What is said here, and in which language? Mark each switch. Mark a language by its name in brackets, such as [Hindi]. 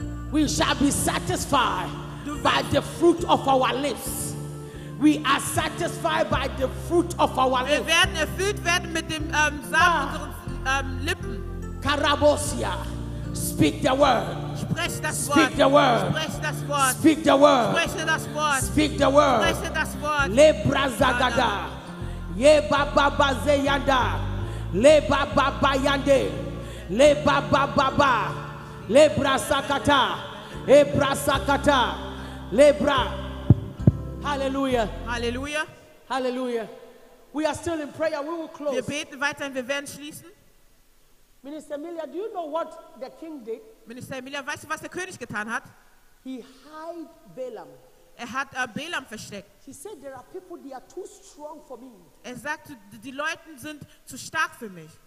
[English] We shall be satisfied by the fruit of our lips. We are satisfied by the fruit of our lips. [German] Wir werden erfüllt werden mit dem Samen unseren Lippen. [English] Karabosia, speak the word. [German] Sprech das Wort. [English] Speak the word. [German] Sprech das Wort. [English] Speak the word. [German] Spreche das Wort. [English] Speak the word. [German] Spreche das Wort. Le brazagada, ye baba baze yanda, le baba bayande, le baba baba, le brazakata, e brazakata, le bra. Hallelujah. [English] Hallelujah. Hallelujah. We are still in prayer. We will close. [German] Wir beten weiter und wir werden schließen. [English] Minister Emilia, do you know what the king did? [German] Minister Emilia, weißt du, was der König getan hat? [English] He hid Balaam. [German] Er hat Balaam versteckt. [English] He said, there are people, they are too strong for me. [German] Er sagte, die Leute sind zu stark für mich.